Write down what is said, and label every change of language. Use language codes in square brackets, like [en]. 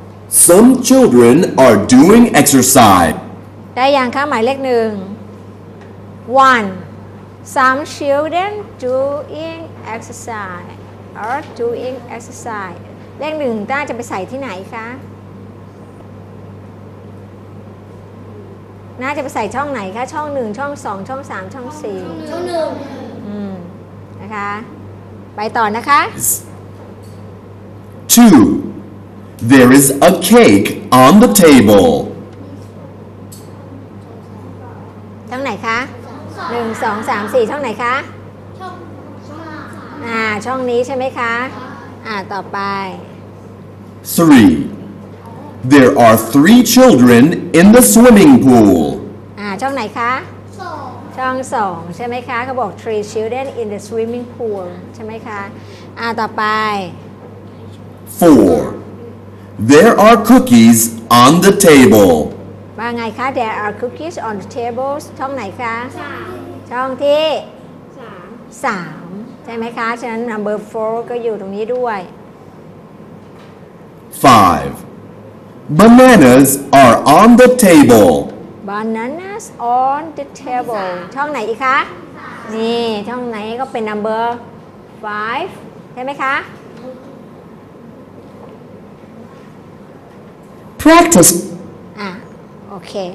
[en] Some children are doing exercise. [th] ได้ยังคะหมายเลขหนึ่ง 1. [en] Some children doing exercise are doing exercise. [th] เลขหนึ่งต้าจะไปใส่ที่ไหนคะน่าจะไปใส่ช่องไหนคะช่องหนึ่งช่องสองช่องสามช่องสี่ ช่องหนึ่ง นะคะไปต่อนะคะ [en] 2. There is a cake on the table. [th] ช่องไหนคะ1 2 3 4ช่องไหนคะ ช่อง ช่องนี้ใช่มั้ยคะต่อไป [en] 3. There are 3 children in the swimming pool. [th] ช่องไหนคะ [en] 2 [th] ช่อง2ใช่มั้ยคะเขาบอก [en] 3 children in the swimming pool [th] ใช่มั้ยคะต่อไป [en] 4. There are cookies on the table. [th] ว่าไงคะ [en] There are cookies on the tables. [th] ช่องไหนคะ [en] 3. [th] ช่องที่ [en] 3. [th] 3. ใช่ไหมคะฉะนั้น [en] number 4 [th] ก็อยู่ตรงนี้ด้วย [en] 5. Bananas are on the table. Bananas on the table. [th] ช่องไหนอีกคะ [en] 3. [th] นี่ช่องไหนก็เป็น [en] number 5. [th] ใช่ไหมคะ [en] Practice. [th] โอเค